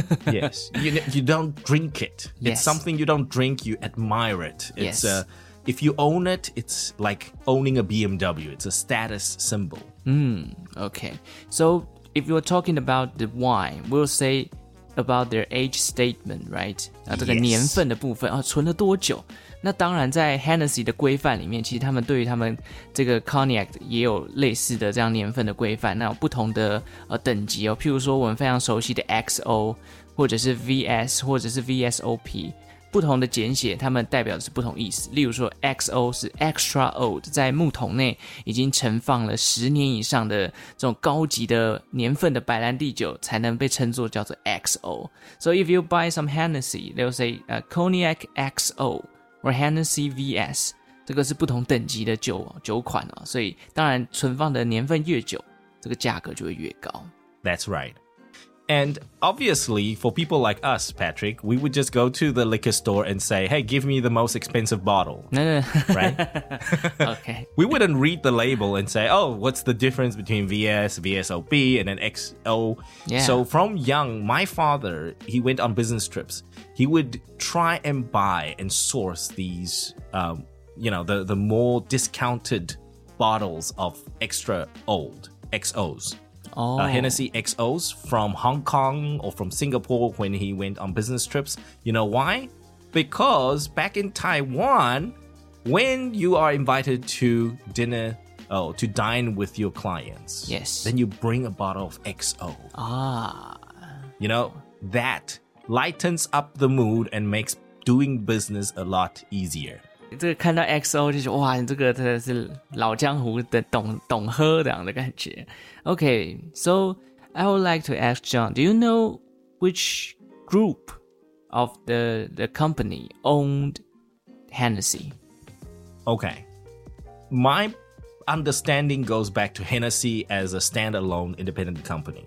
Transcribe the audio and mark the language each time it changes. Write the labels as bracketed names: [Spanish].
[English] Yes. You don't drink it. It's something you don't drink, you admire it. It's if you own it, it's like owning a BMW. It's a status symbol. Okay. So if you're talking about the wine, we'll say... about their age statement, right? [Chinese] 这个年份的部分存了多久？那当然在 Hennessy 的规范里面，其实他们对于他们这个 Cognac 也有类似的这样年份的规范，那有不同的等级哦，譬如说我们非常熟悉的 XO, 或者是 VS, 或者是 VSOP, 不同的简写他们代表的是不同意思。例如说 XO 是 Extra Old, 在木桶内已经陈放了10年以上的这种高级的年份的白兰地酒才能被称作叫做 XO. [English] So if you buy some Hennessy, they'll say Cognac XO or Hennessy VS, [Chinese] 这个是不同等级的酒款哦，所以当然存放的年份越久，这个价格就会越高。 [English] That's right. And obviously, for people like us, Patrick, we would just go to the liquor store and say, hey, give me the most expensive bottle. No. Right? Okay. We wouldn't read the label and say, oh, what's the difference between VS, VSOP, and an XO? Yeah. So from young, my father, he went on business trips. He would try and buy and source these, the more discounted bottles of extra old XOs. Hennessy XOs from Hong Kong or from Singapore when he went on business trips. You know why? Because back in Taiwan, when you are invited to dine with your clients, then you bring a bottle of XO. You know, that lightens up the mood and makes doing business a lot easier. [Chinese] 这个看到 XO 就是哇，这个真的是老江湖的懂喝这样的感觉。 [English] Okay, so I would like to ask John, do you know which group of the company owned Hennessy? Okay, my understanding goes back to Hennessy as a standalone independent company.